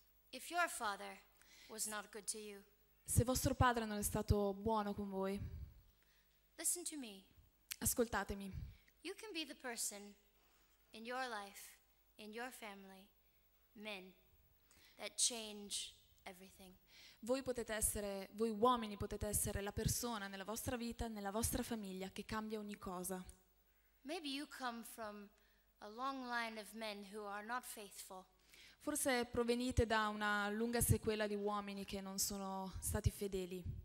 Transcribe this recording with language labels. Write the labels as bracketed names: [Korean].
[English] if your father was not good to you, [Italian] se vostro padre non è stato buono con voi, [English] listen to me. [Italian] Ascoltatemi. [English] You can be the person in your life, in your family, men, that change everything. [Italian] Voi potete essere, voi uomini potete essere la persona nella vostra vita, nella vostra famiglia che cambia ogni cosa. [English] Maybe you come from a long line of men who are not faithful. [Italian] Forse provenite da una lunga sequela di uomini che non sono stati fedeli.